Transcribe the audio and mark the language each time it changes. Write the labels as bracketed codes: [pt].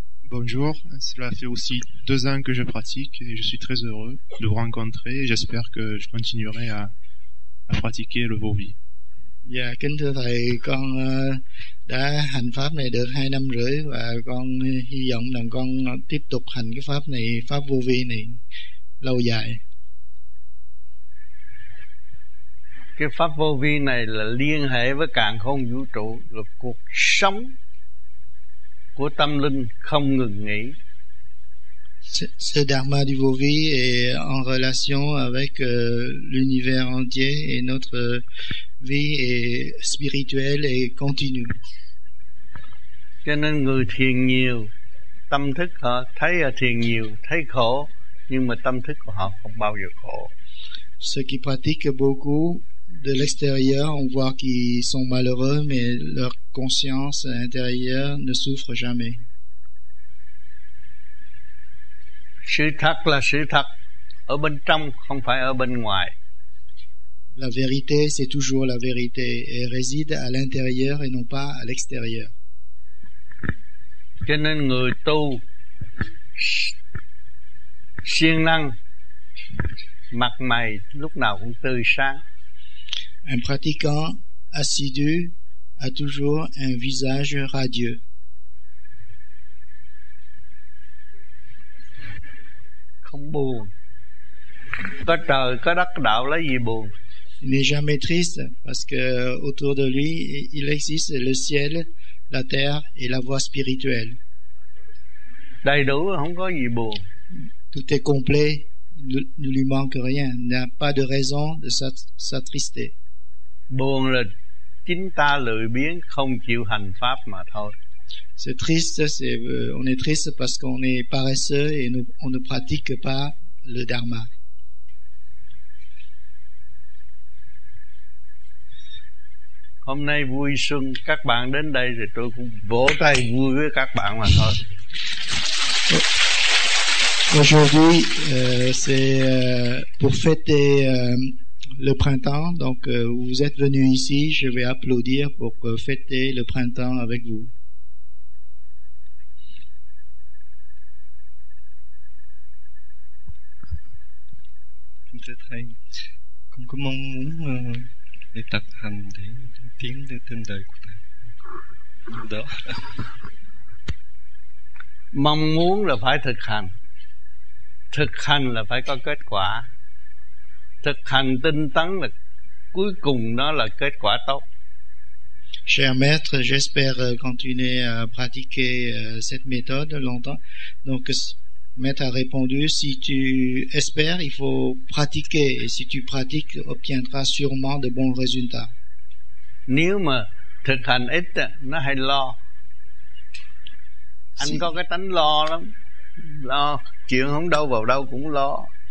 [fr] Bonjour, cela fait aussi 2 ans que je pratique et je suis très heureux de vous rencontrer. J'espère que je continuerai à pratiquer le Vovi. [vi] Dạ, kính thưa thầy, con đã hành pháp này được 2 năm rưỡi và con hy vọng là con tiếp tục hành cái pháp này, pháp vô vi này lâu dài. Cái pháp vô vi này là liên hệ với càn khôn vũ trụ, là cuộc sống của tâm linh không ngừng nghỉ. [fr] Ce dharma du vô vi est en relation avec l'univers entier et notre vie est spirituelle et continue. [vi] Cho nên người thiền nhiều, tâm thức họ thấy ở thiền nhiều, thấy khổ, nhưng mà tâm thức của họ không bao giờ khổ. [fr] Ceux qui pratiquent beaucoup de l'extérieur, on voit qu'ils sont malheureux, mais leur conscience intérieure ne souffre jamais. [vi] Sự thật là sự thật ở bên trong, không phải ở bên ngoài. [fr] La vérité, c'est toujours la vérité et réside à l'intérieur et non pas à l'extérieur. [vi] Cho nên người tu siêng năng, mặt mày lúc nào cũng tươi sáng. [fr] Un pratiquant assidu a toujours un visage radieux. [vi] Không buồn. Có trời, có đất, đạo lấy gì buồn. [fr] Il n'est jamais triste parce que autour de lui il existe le ciel, la terre et la voie spirituelle. [vi] Đầy đủ, không có gì buồn. [fr] Tout est complet, ne lui manque rien, il n'a pas de raison de s'attrister. [vi] Buồn là chính ta lười biếng không chịu hành pháp mà thôi. [fr] C'est triste, on est triste parce qu'on est paresseux et on ne pratique pas le dharma. [vi] hôm nay vui xuân các bạn đến đây thì tôi cũng vỗ tay vui với các bạn mà thôi. [fr] Aujourd'hui c'est pour fêter le printemps, donc vous êtes venus ici, je vais applaudir pour fêter le printemps avec vous. [vi] Thầy con có mong muốn để tập hành để tiến tới tên đời của thầy đó. Mong muốn là phải thực hành, thực hành là phải có kết quả, thực hành tinh tấn là cuối cùng nó là kết quả tốt. [fr] Cher maître, j'espère continuer à pratiquer cette méthode longtemps. Donc maître a répondu, si tu espères, il faut pratiquer, et si tu pratiques, obtiendras sûrement de bons résultats. [vi] Nếu mà thực hành ít nó hay lo. Anh có cái tánh lo lắm. Lo chuyện không đâu vào đâu cũng lo.